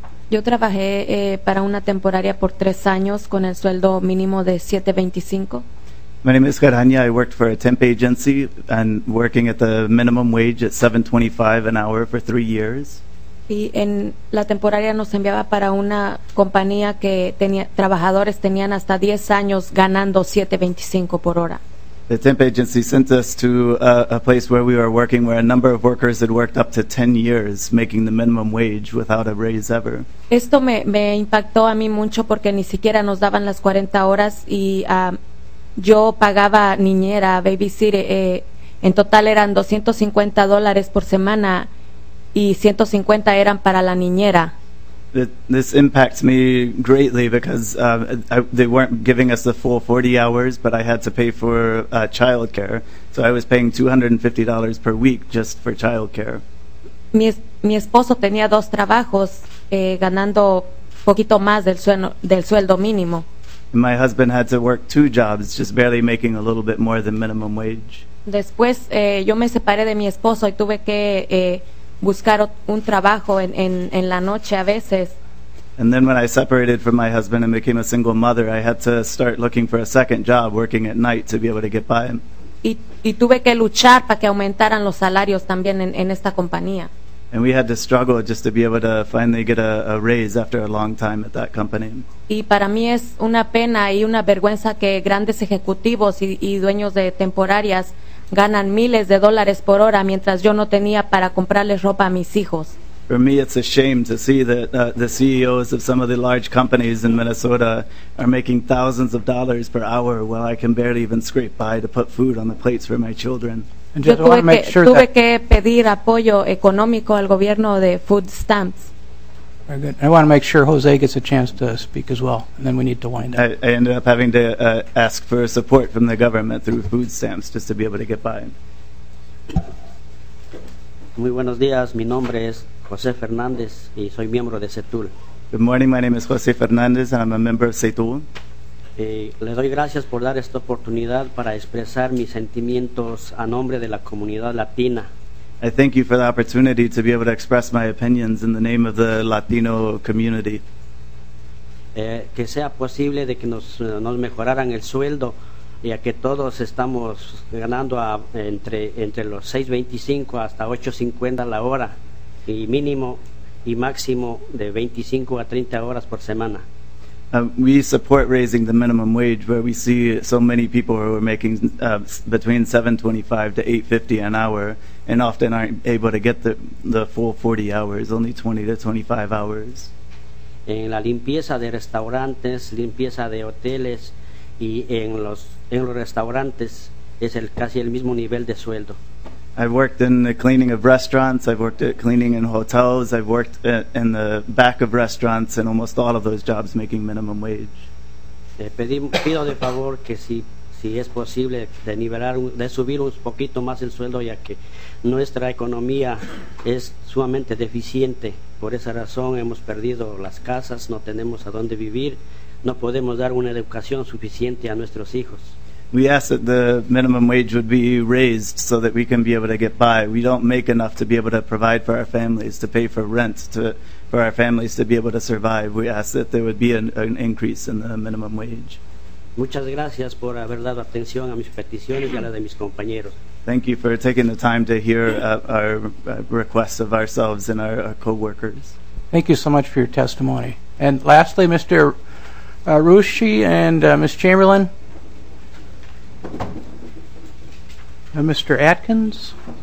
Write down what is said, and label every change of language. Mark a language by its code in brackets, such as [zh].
[es] Yo trabajé para una temporaria por tres años con el sueldo mínimo de $7.25. [en] My name is Gerania. I worked for a temp agency and working at the minimum wage at $7.25 an hour for 3 years. [es] Y en la temporaria nos enviaba para una compañía que tenía trabajadores tenían hasta 10 años ganando $7.25 por hora. [en] The temp agency sent us to a place where we were working where a number of workers had worked up to 10 years making the minimum wage without a raise ever. [es] Esto me impactó a mí mucho porque ni siquiera nos daban las 40 horas y yo pagaba niñera, babysitter, en total eran $250 por semana y 150 eran para la niñera. [en] This impacts me greatly because they weren't giving us the full 40 hours, but I had to pay for child care. So I was paying $250 per week just for child care. [es] Mi esposo tenía dos trabajos ganando poquito más del sueldo mínimo. [en] My husband had to work two jobs, just barely making a little bit more than minimum wage. [es] Después yo me separé de mi esposo y tuve que buscar un trabajo en la noche a veces. [en] And then when I separated from my husband and became a single mother, I had to start looking for a second job working at night to be able to get by. [es] Y tuve que luchar para que aumentaran los salarios también en esta compañía. [en] And we had to struggle just to be able to finally get a raise after a long time at that company. [es] Y para mí es una pena y una vergüenza que grandes ejecutivos y dueños de temporarias ganan miles de dólares por hora mientras yo no tenía para comprarles ropa a mis hijos. [en] For me, it's a shame to see that the CEOs of some of the large companies in Minnesota are making thousands of dollars per hour while I can barely even scrape by to put food on the plates for my children. And just want to make sure [es] tuve que pedir apoyo económico al gobierno de food stamps. [en] Very good. I want to make sure Jose gets a chance to speak as well, and then we need to wind up. I ended up having to ask for support from the government through food stamps just to be able to get by. [es] Muy buenos días. Mi nombre es José Fernández y soy miembro de CETUL. [en] Good morning. My name is José Fernández and I'm a member of CETUL. [es] Le doy gracias por dar esta oportunidad para expresar mis sentimientos a nombre de la comunidad latina. [en] I thank you for the opportunity to be able to express my opinions in the name of the Latino community. [es] Que sea posible de que nos mejoraran el sueldo, ya que todos estamos ganando entre los 6.25 hasta 8.50 la hora, y mínimo y máximo de 25 a 30 horas por semana. [en] We support raising the minimum wage, where we see so many people who are making between $7.25 to $8.50 an hour, and often aren't able to get the full 40 hours, only 20 to 25 hours. [es] En la limpieza de restaurantes, limpieza de hoteles, y en los restaurantes es casi el mismo nivel de sueldo. [en] I've worked in the cleaning of restaurants, I've worked at cleaning in hotels, I've worked in the back of restaurants, and almost all of those jobs making minimum wage. [es] Pido de favor que si es posible de nivelar, de subir un poquito más el sueldo, ya que nuestra economía es sumamente deficiente. Por esa razón hemos perdido las casas, no tenemos a dónde vivir, no podemos dar una educación suficiente a nuestros hijos. [en] We ask that the minimum wage would be raised so that we can be able to get by. We don't make enough to be able to provide for our families, to pay for rent, for our families to be able to survive. We ask that there would be an increase in the minimum wage. [es] Muchas gracias por haber dado atención a mis peticiones y a la de mis compañeros. [en] Thank you for taking the time to hear our requests of ourselves and our co-workers. Thank you so much for your testimony. And lastly, Mr. Rushi and Ms. Chamberlain. And Mr. Atkins.